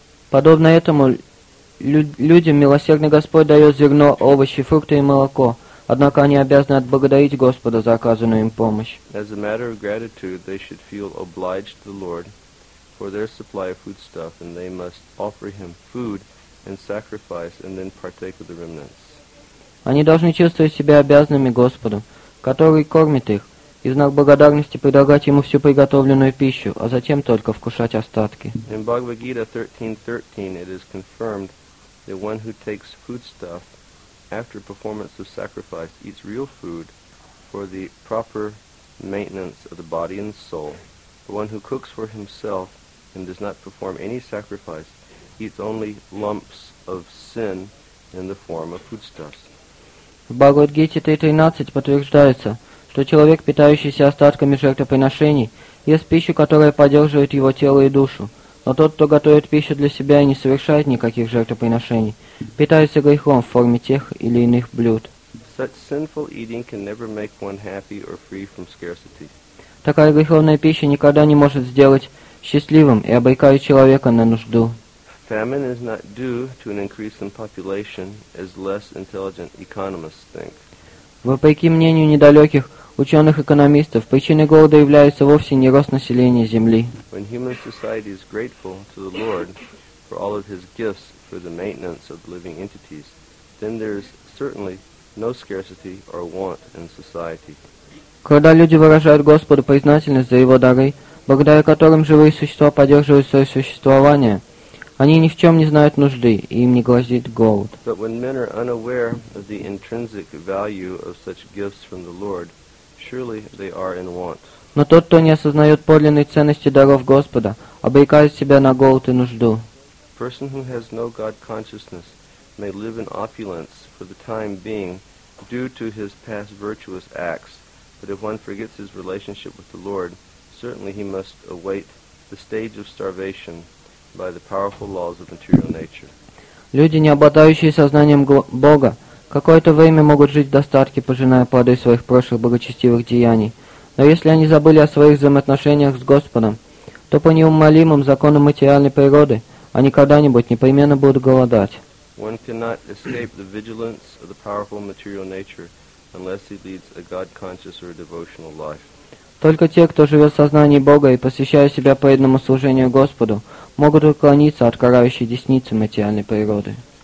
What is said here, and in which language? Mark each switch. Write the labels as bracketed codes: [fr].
[ru] Подобно этому, людям милосердный Господь дает зерно, овощи, фрукты и молоко, однако они обязаны отблагодарить Господа за оказанную им помощь. [en] As a matter of gratitude, they should feel obliged to the Lord for their supply of foodstuff, and they must offer him food and sacrifice, and then partake of the remnants. [ru] Они должны чувствовать себя обязанными Господу, который кормит их, и в знак благодарности предлагать ему всю приготовленную пищу, а затем только вкушать остатки. [en] In Bhagavad-gita 13.13 it is confirmed that one who takes foodstuff after performance of sacrifice, eats real food for the proper maintenance of the body and soul. The one who cooks for himself and does not perform any sacrifice eats only lumps of sin in the form of foodstuffs. [ru] В Бхагавад-гите 3.13 подтверждается, что человек, питающийся остатками жертвоприношений, ест пищу, которая поддерживает его тело и душу. Но тот, кто готовит пищу для себя и не совершает никаких жертвоприношений, питается грехом в форме тех или иных блюд. [en] Such sinful eating can never make one happy or free from scarcity. [ru] Такая греховная пища никогда не может сделать счастливым и обрекает человека на нужду. [en] Famine is not due to an increase in population, as less intelligent economists think. [ru] Вопреки мнению недалеких ученых-экономистов, причиной голода является вовсе не рост населения Земли. [en] When human society is grateful to the Lord for all of his gifts for the maintenance of living entities, then there is certainly no scarcity or want in society. [ru] Когда люди выражают Господу признательность за его дары, благодаря которым живые существа поддерживают свое существование, они ни в чем не знают нужды, и им не грозит голод. [en] But when men are unaware of the intrinsic value of such gifts from the Lord, surely they are in want. [ru] Но тот, кто не осознает подлинной ценности даров Господа, обрекает себя на голод и нужду. [en] Person who has no God consciousness may live in opulence for the time being due to his past virtuous acts, but if one forgets his relationship with the Lord, certainly he must await the stage of starvation by the powerful laws of material nature. [ru] Люди, не обладающие сознанием Бога, какое-то время могут жить в достатке, пожиная плоды своих прошлых благочестивых деяний. Но если они забыли о своих взаимоотношениях с Господом, то по неумолимым законам материальной природы они когда-нибудь непременно будут голодать. [en] One cannot escape the vigilance of the powerful material nature unless he leads a God-conscious or devotional life. [ru] Только те, кто живет в сознании Бога и посвящая себя преданному служению Господу, могут уклониться от карающей десницы материальной природы.